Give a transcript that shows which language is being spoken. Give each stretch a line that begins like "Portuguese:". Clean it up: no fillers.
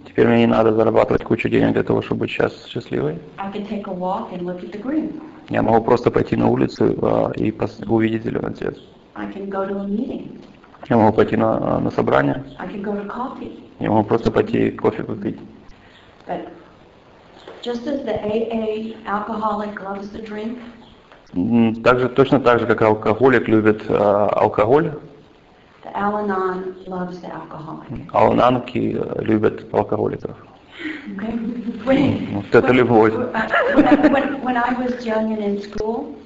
Russian: Теперь мне не надо зарабатывать кучу денег для того, чтобы быть сейчас счастливой.
English: I can take a walk and look at the green.
Russian: Я могу просто пойти на улицу и увидеть зеленый цвет.
English: I can go to a meeting.
Russian: Я могу пойти на собрание.
English: I can go to coffee.
Russian: Я могу просто пойти кофе попить.
English: But just as the AA alcoholic loves the drink.
Russian: Также, точно так же, как алкоголик любит алкоголь.
English: The Al-Anon loves the alcoholic.
Russian: Al-Anonки любят алкоголиков.
English: Okay.
Russian: Вот это любовь.
English: When I was young and in school.